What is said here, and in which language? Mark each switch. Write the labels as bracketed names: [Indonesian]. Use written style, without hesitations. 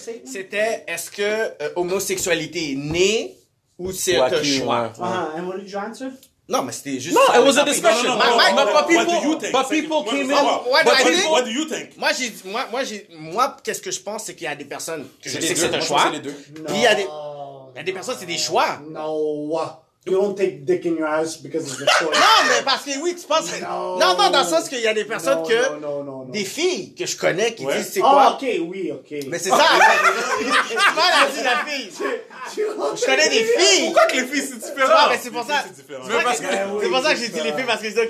[French] C'était, est-ce que homosexualité est née ou c'est un choix? [English] Uh-huh. And what did you answer? [French] Non, mais c'était juste... [English] No, it was a discussion. What do you think? [French] Moi, qu'est-ce que je pense, c'est qu'il y a des personnes... Que je sais que c'est un choix. Puis il y a des personnes, c'est des choix. [English] No. You don't take dick in your ass because it's a choice. [French] Non, mais parce que oui, tu penses... [English] No. [French] Non, dans le sens qu'il y a des personnes que... [English] No. [French] Des filles que je connais qui disent c'est quoi. Oh, OK, oui, OK. Mais c'est ça. C'est pas la vie de la fille. Je connais des filles. Pourquoi que les filles c'est différent? Ah, mais c'est pour ça. C'est pour ça que j'ai dit les filles parce que c'est ok.